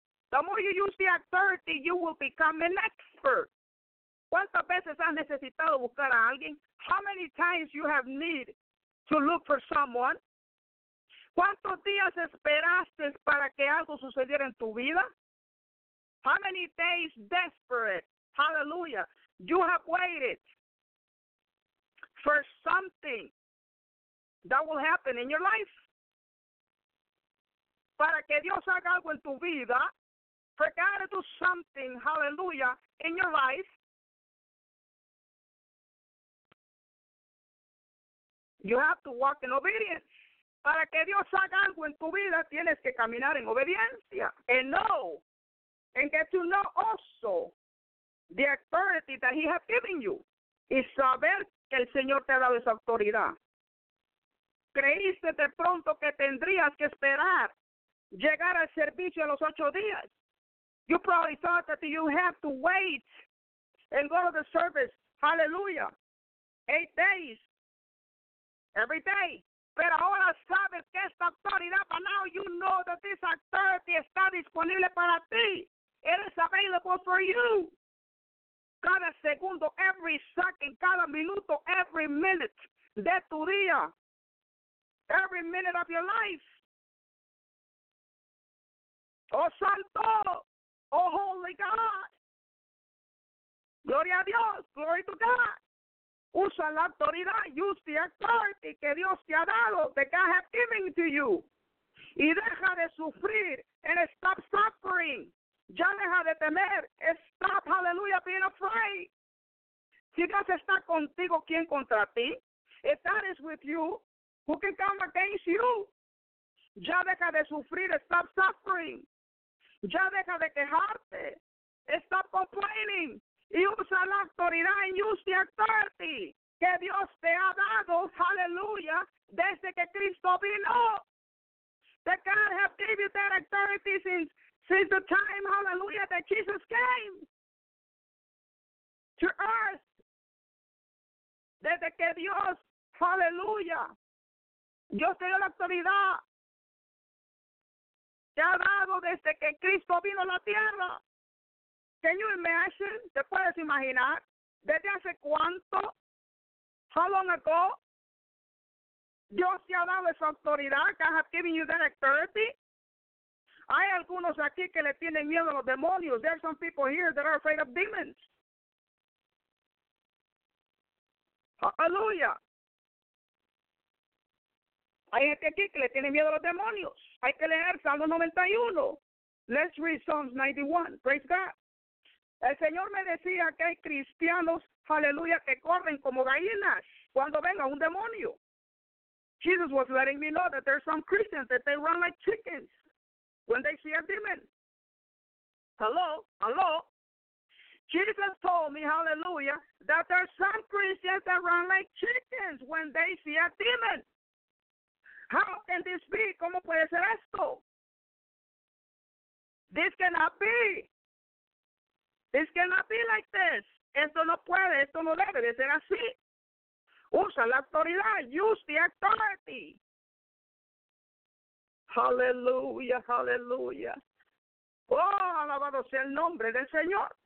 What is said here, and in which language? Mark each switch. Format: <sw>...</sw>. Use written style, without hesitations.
<en>The more you use the authority, you will become an expert.</en> <es>¿Cuántas veces has necesitado buscar a alguien?</es> <en>How many times you have need to look for someone?</en> <es>¿Cuántos días esperaste para que algo sucediera en tu vida?</es> <en>How many days desperate, hallelujah, you have waited for something that will happen in your life?</en> <es>Para que Dios haga algo en tu vida,</es> <en>for God to do something, hallelujah, in your life, you have to walk in obedience.</en> <es>Para que Dios haga algo en tu vida, tienes que caminar en obediencia.</es> <en>And know, and get to know also the authority that he has given you.</en> <es>Y saber que el Señor te ha dado esa autoridad. Creíste de pronto que tendrías que esperar llegar al servicio a los 8 días.</es> <en>You probably thought that you have to wait and go to the service. Hallelujah. 8 days. Every day.</en> <es>Pero ahora sabes que esta autoridad,</es> <en>but now you know that this authority</en> <es>está disponible para ti.</es> <en>It is available for you.</en> <es>Cada segundo,</es> <en>every second,</en> <es>cada minuto,</es> <en>every minute</en> <es>de tu día.</es> <en>Every minute of your life.</en> <es>Oh, Santo.</es> <en>Oh, Holy God.</en> <es>Gloria a Dios.</es> <en>Glory to God.</en> <es>Usa la autoridad,</es> <en>use the authority</en> <es>que Dios te ha dado,</es> <en>that God has given to you.</en> <es>Y deja de sufrir,</es> <en>and stop suffering.</en> <es>Ya deja de temer,</es> <en>stop, hallelujah, being afraid.</en> <es>Si Dios está contigo, ¿quién contra ti?</es> <en>If God is with you, who can come against you?</en> <es>Ya deja de sufrir,</es> <en>stop suffering.</en> <es>Ya deja de quejarte,</es> <en>stop complaining.</en> <es>Y usa la autoridad y</es> <en>use the authority</en> <es>que Dios te ha dado, hallelujah, desde que Cristo vino.</es> <en>The God has given you that authority since the time, hallelujah, that Jesus came to earth.</en> <es>Desde que Dios, hallelujah, Dios te dio la autoridad. Te ha dado desde que Cristo vino a la tierra.</es> <en>Can you imagine?</en> <es>¿Te puedes imaginar? ¿Desde hace cuánto?</es> <en>How long ago?</en> <es>Dios te ha dado esa autoridad.</es> <en>I have given you that authority.</en> <es>Hay algunos aquí que le tienen miedo a los demonios.</es> <en>There are some people here that are afraid of demons. Hallelujah.</en> <es>Hay gente aquí que le tiene miedo a los demonios. Hay que leer Salmo 91.</es> <en>Let's read Psalms 91. Praise God.</en> <es>El Señor me decía que hay cristianos, aleluya, que corren como gallinas cuando venga un demonio.</es> <en>Jesus was letting me know that there are some Christians that they run like chickens when they see a demon. Hello? Hello? Jesus told me, hallelujah, that there are some Christians that run like chickens when they see a demon. How can this be?</en> <es>¿Cómo puede ser esto?</es> <en>This cannot be. This cannot be like this.</en> <es>Esto no puede, esto no debe de ser así. Usa la autoridad.</es> <en>Use the authority.</en> <es>Hallelujah, hallelujah. Oh, alabado sea el nombre del Señor.</es>